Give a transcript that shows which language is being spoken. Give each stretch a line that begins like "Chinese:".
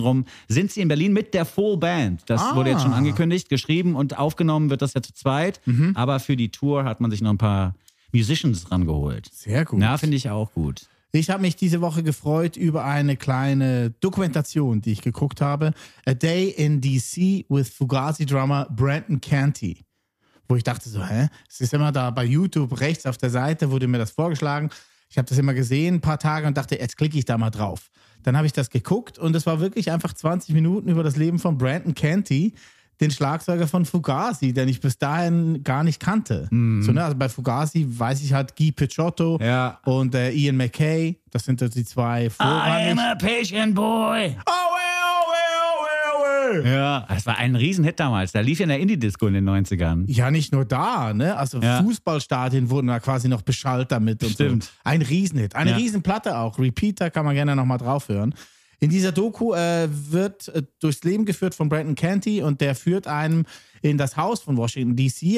German: rum sind sie in Berlin mit der Full Band. Das wurde jetzt schon angekündigt, geschrieben und aufgenommen wird das ja zu zweit. Mhm. Aber für die Tour hat man sich noch ein paar Musicians rangeholt. Sehr gut. Na, finde ich auch gut. Ich habe mich diese Woche gefreut über eine kleine Dokumentation, die ich geguckt habe.
English: A Day in DC with Fugazi-Drummer Brandon Canty.
German: Wo ich dachte so, es ist immer da bei YouTube rechts auf der Seite, wurde mir das vorgeschlagen. Ich habe das immer gesehen, ein paar Tage, und dachte, jetzt klicke ich da mal drauf. Dann habe ich das geguckt und es war wirklich einfach 20 Minuten über das Leben von Brandon Canty, den Schlagzeuger von Fugazi, den ich bis dahin gar nicht kannte. Mm. So, ne? Also bei Fugazi weiß ich halt Guy Picciotto, ja, und Ian McKay. Das sind die zwei vorrangig.
English: I am a patient boy. Oh, well, oh, well, oh, well, oh, well.
German: Ja, das war ein Riesenhit damals. Da lief ja in der Indie-Disco in den 90ern. Ja, nicht nur da, ne? Also ja. Fußballstadien wurden da quasi noch beschallt damit. Und stimmt. So. Ein Riesenhit. Eine, ja, Riesenplatte auch. Repeater kann man gerne nochmal draufhören. In dieser Doku wird durchs Leben geführt von Brandon Canty und der führt einen in das Haus von Washington D.C.